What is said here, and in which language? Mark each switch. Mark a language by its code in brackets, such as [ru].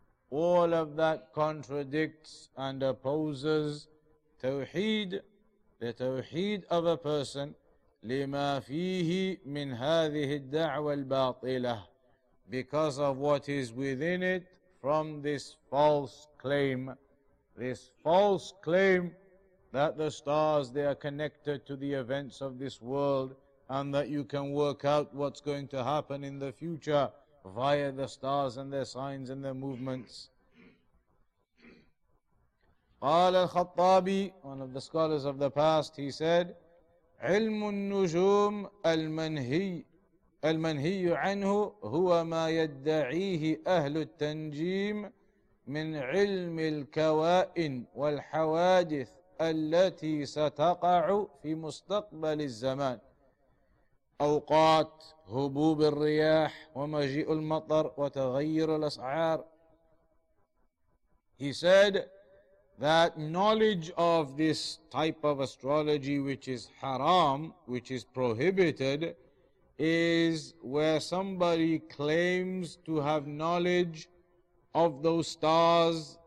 [en] All of that contradicts and opposes tawheed, the tawheed of a person, [ar] lima fihi min hadhihi ad-da'wa al-batilah, [en] because of what is within it from this false claim. This false claim that the stars, they are connected to the events of this world, and that you can work out what's going to happen in the future via the stars and their signs and their movements. [ar] قال الخطابي, [en] one of the scholars of the past, he said, [ar] علم النجوم المنهي عنه هو ما يدعيه أهل التنجيم من علم الكوائن والحوادث التي ستقع في مستقبل الزمان أوقات هبوب الرياح ومجيء المطر وتغير الأسعار. [en] He said that knowledge of this type of astrology, which is haram, which is prohibited, is where somebody claims to have knowledge of those stars,